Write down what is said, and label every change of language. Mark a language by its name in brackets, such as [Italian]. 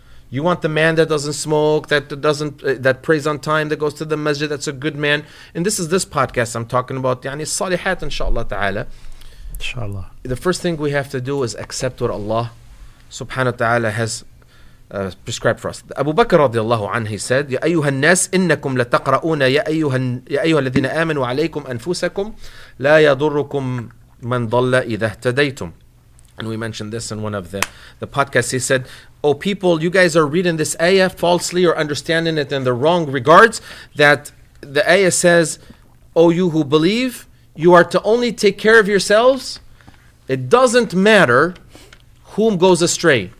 [English] You want the man that doesn't smoke, that prays on time, that goes to the masjid, that's a good man. And this is this podcast I'm talking about. Yani salihat, inshallah ta'ala. Inshallah. The first thing we have to do is accept what Allah subhanahu wa ta'ala has prescribed for us. Abu Bakr radiallahu anhu, he said, [Arabic] يَا أَيُّهَا النَّاسِ إِنَّكُمْ لَتَقْرَؤُونَ يَا أَيُّهَا الَّذِينَ آمَنُوا عَلَيْكُمْ أَنفُسَكُمْ لَا يَضُرُّكُمْ مَنْ ضَلَّ إِذَا اهْتَدَيْتُمْ. [English] And we mentioned this in one of the podcasts. He said, oh people, you guys are reading this ayah falsely or understanding it in the wrong regards, that the ayah says, oh you who believe, you are to only take care of yourselves. It doesn't matter whom goes astray.